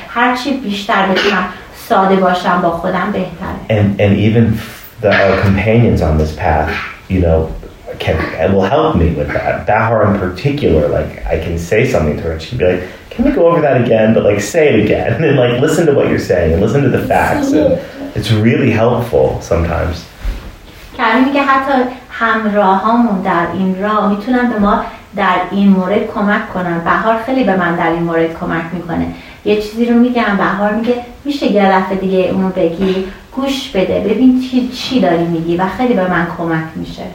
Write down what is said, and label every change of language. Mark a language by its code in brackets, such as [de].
[fa] هرچی بیشتر بتونم ساده باشم با خودم بهتره. [en] And even our companions on this path, you know, can and will help me with that. Bahar in particular, like, I can say something to her and she'd be like, can we go over that again, but like say it again and like listen to what you're saying and listen to the facts. And it's really helpful sometimes. [fa] کردیم که حتی همراهامون در این راه میتونن به ما در این مورد کمک کنن. بهار خیلی به من در این مورد کمک میکنه. یه چیزی رو میگم بهار میگه میشه یه دفعه دیگه اونو بگی، گوش بده ببین چی داری میگی و خیلی به من کمک میشه.